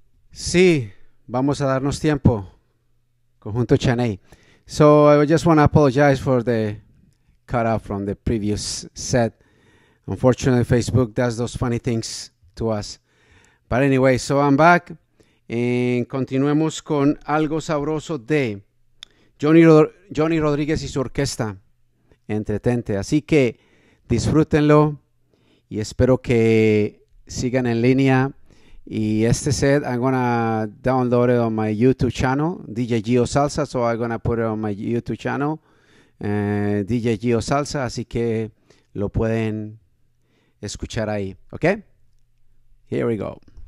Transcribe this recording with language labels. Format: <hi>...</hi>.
<es>Sí, vamos a darnos tiempo, conjunto Chaney.</es> <en>So I just want to apologize for the cutout from the previous set. Unfortunately, Facebook does those funny things to us. But anyway, so I'm back.</en> <es>And continuemos con algo sabroso de Johnny Rodríguez y su orquesta. Entretente. Así que disfrútenlo y espero que sigan en línea. Y este set,</es> <en>I'm going to download it on my YouTube channel, DJ Gio Salsa. So I'm going to put it on my YouTube channel, DJ Gio Salsa.</en> <es>Así que lo pueden escuchar ahí.</es> <en>¿Ok? Here we go.</en>